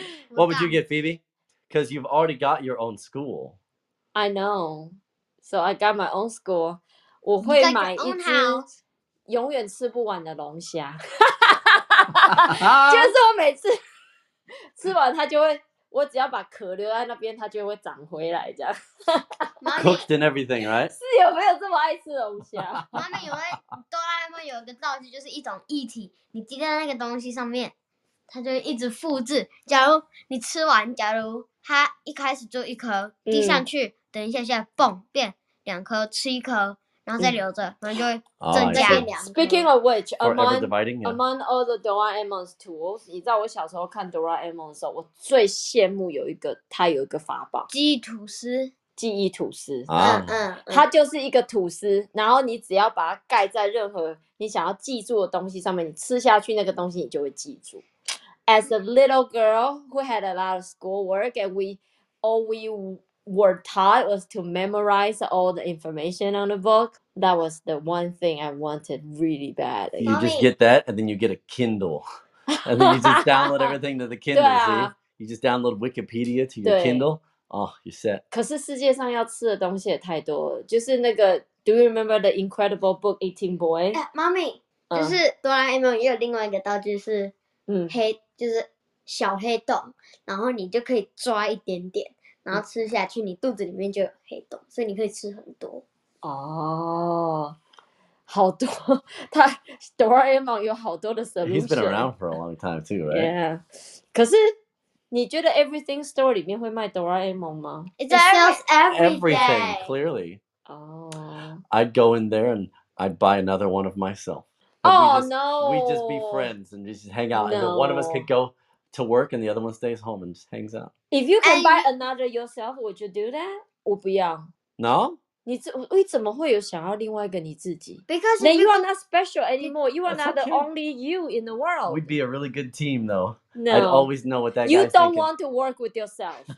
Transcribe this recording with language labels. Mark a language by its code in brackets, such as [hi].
[en] ？What would you get, Phoebe? Because you've already got your own school. I know. So I got my own school. [zh] 我会买一只永远吃不完的龙虾。就是我每次吃完，它就会。我只要把壳留在那边，它就会长回来，这样。 [en] Cooked and everything, right? [zh] 是有没有这么爱吃龙虾？妈咪，因为哆啦 A 梦有一个道具，就是一种液体，你滴在那个东西上面，它就一直复制。假如你吃完，假如它一开始就一颗滴上去，等一下下蹦变两颗，吃一颗。然后再留着，然后就会增加。 [en] Speaking of which, among all the Doraemon's tools, [zh] 你知道我小时候看 Doraemon 的时候，我最羡慕有一个，它有一个法宝。记忆吐司。它就是一个吐司，然后你只要把它盖在任何你想要记住的东西上面，你吃下去那个东西，你就会记住。 [en] As a little girl who had a lot of schoolwork, and we were taught was to memorize all the information on the book. That was the one thing I wanted really bad. You just get that, and then you get a Kindle. And then you just download everything to the Kindle, see? You just download Wikipedia to your Kindle. Oh, you're set. [zh] 可是世界上要吃的东西也太多了。就是那个 [en] ,Do you remember the incredible book 18 Boy? [zh] 妈咪,就是哆啦 A 梦也有另外一个道具是黑,就是小黑洞。然后你就可以抓一点点。然后吃下去你肚子里面就有黑洞。所以你可以吃很多。哦。好多他 Doraemon 有好多的 solution. [en] He's been around for a long time too, right? Yeah. [zh] 可是你觉得 Everything Store 里面会卖 Doraemon 吗? [en] It sells everything. Everything, clearly. Oh. I'd go in there and I'd buy another one of myself. We'd just be friends and just hang out. No. And one of us could go to work and the other one stays home and just hangs out. If you can buy another yourself, would you do that? [zh] 我不要。 [en] No? [zh] 你为什么会有想要另外一个你自己 [en] ？Because then you are not special anymore. You are not the only you in the world. We'd be a really good team, though. No, I'd always know what that guy's You don't want to work with yourself.